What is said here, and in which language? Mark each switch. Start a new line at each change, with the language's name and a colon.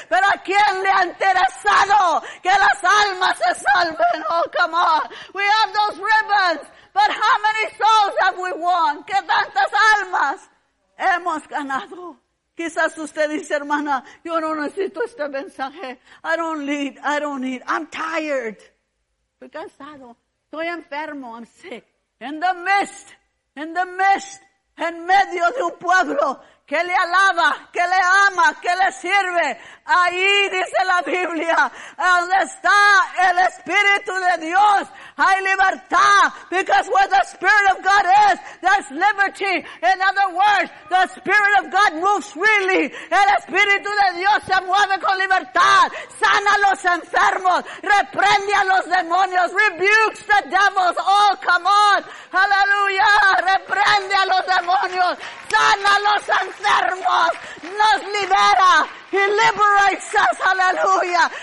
Spanish: Pero ¿a quién le ha interesado que las almas se salven?
English: Oh, come on. We have those ribbons, but how many souls have we won?
Spanish: ¿Qué tantas almas hemos ganado? Quizás usted dice, hermana, yo no necesito este mensaje.
English: I don't need. I'm tired.
Spanish: Estoy cansado. Estoy enfermo.
English: I'm sick. In the midst,
Spanish: en medio de un pueblo que le alaba, que le ama, que le sirve. Ahí dice la Biblia, donde está el Espíritu de Dios, hay libertad.
English: Because where the Spirit of God is, there's liberty. In other words, the Spirit of God moves freely.
Spanish: El Espíritu de Dios se mueve con libertad. Sana a los enfermos. Reprende a los demonios.
English: Rebukes the devils. Oh, come on. Hallelujah.
Spanish: Reprende a los demonios. Sana a los enfermos. Nos libera.
English: He liberates us, hallelujah.